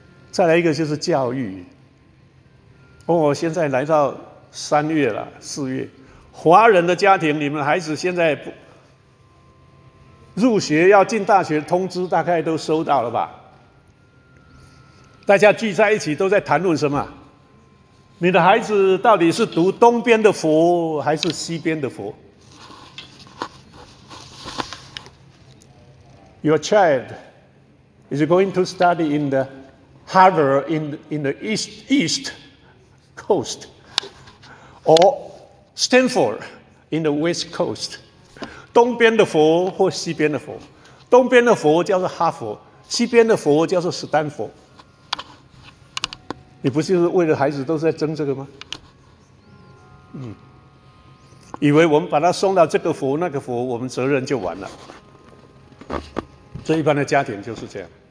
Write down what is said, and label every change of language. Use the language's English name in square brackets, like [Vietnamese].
[Chinese] 再来一个就是教育。哦，现在来到三月了，四月，华人的家庭，你们孩子现在不入学要进大学通知大概都收到了吧？大家聚在一起都在谈论什么？你的孩子到底是读东边的佛还是西边的佛？ [English] Your child is going to study in the Harvard in the East Coast or Stanford in the West Coast。 [Chinese] 东边的佛或西边的佛，东边的佛叫做哈佛，西边的佛叫做斯坦佛。你不就是为了孩子都是在争这个吗？以为我们把他送到这个佛那个佛，我们责任就完了。这一般的家庭就是这样。